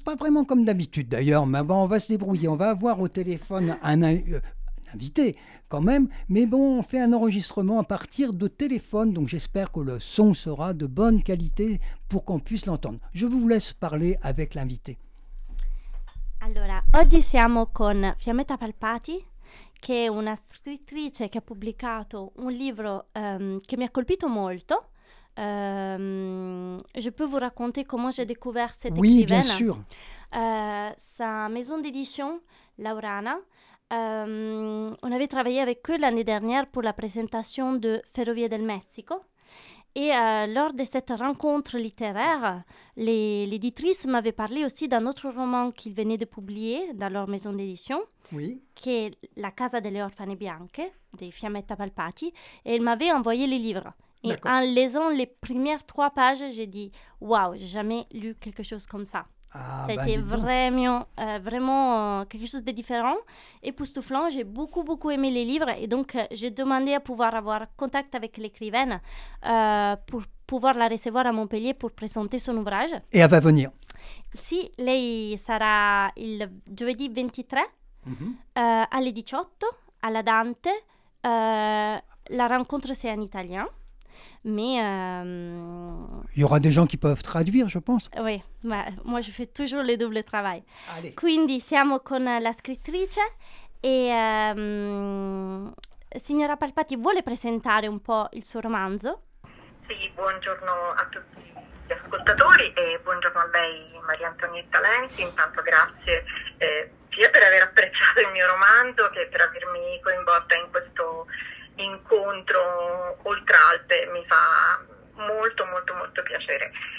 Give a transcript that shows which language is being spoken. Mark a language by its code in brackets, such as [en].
[fr] Pas vraiment comme d'habitude d'ailleurs, mais bon, on va se débrouiller. On va avoir au téléphone un invité quand même. Mais bon, on fait un enregistrement à partir de téléphone. Donc j'espère que le son sera de bonne qualité pour qu'on puisse l'entendre. Je vous laisse parler avec l'invité. [it] Allora, oggi siamo con Fiammetta Palpati, che è una scrittrice che ha pubblicato un libro che mi ha colpito molto. [fr] Je peux vous raconter comment j'ai découvert cette écrivaine? Oui, bien sûr. Sa maison d'édition, Laurana, on avait travaillé avec eux l'année dernière pour la présentation de Ferrovie del Messico. Et lors de cette rencontre littéraire, l'éditrice m'avait parlé aussi d'un autre roman qu'ils venaient de publier dans leur maison d'édition, oui, qui est La Casa delle Orfane Bianche, de Fiammetta Palpati, et elle m'avait envoyé les livres. Et d'accord. En lisant les premières trois pages, j'ai dit « Waouh, j'ai jamais lu quelque chose comme ça ». C'était vraiment quelque chose de différent, époustouflant. J'ai beaucoup, beaucoup aimé les livres et donc j'ai demandé à pouvoir avoir contact avec l'écrivaine pour pouvoir la recevoir à Montpellier pour présenter son ouvrage. Et elle va venir. [it] Si, lei sarà il jeudi 23 alle 18 alla Dante. [fr] La rencontre, c'est en italien. Mais il y aura des gens qui peuvent traduire, je pense. Oui, bah, moi je fais toujours le double travail. Allez. [it] Quindi siamo con la scrittrice e signora Palpati vuole presentare un po' il suo romanzo? Sì, buongiorno a tutti gli ascoltatori e buongiorno a lei, Maria Antonietta Lenzi. Intanto grazie sia per aver apprezzato il mio romanzo che per avermi coinvolta in questo incontro oltre Alpe, mi fa molto molto molto piacere.